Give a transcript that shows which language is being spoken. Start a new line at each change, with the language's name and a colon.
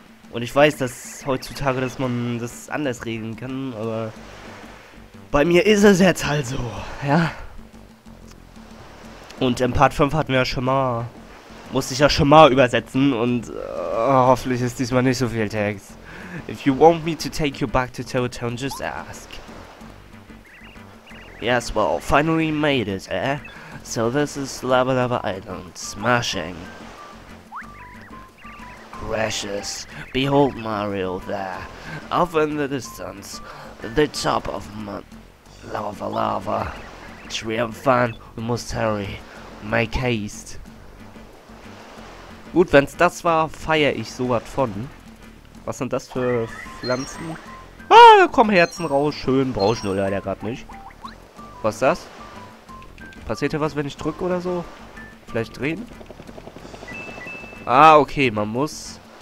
German: Und ich weiß, dass heutzutage, dass man das anders regeln kann, aber bei mir ist es jetzt halt so, ja. Und im Part 5 hatten wir ja schon mal, musste ich ja schon mal übersetzen und hoffentlich ist diesmal nicht so viel Text.
English: If you want me to take you back to Toad Town, just ask. Yes, well, finally made it, eh? So this is Lava Lava Island, smashing. Gracious, behold Mario there, off in the distance, the top of Lava Lava. Triumphant, we must hurry. Make haste.
German: Gut, wenn's das war, feier ich sowas von. Was sind das für Pflanzen? Ah, da kommen Herzen raus, schön, brauch ich nur leider grad nicht. Was ist das? Passiert hier was, wenn ich drücke oder so? Vielleicht drehen? Ah, okay, man muss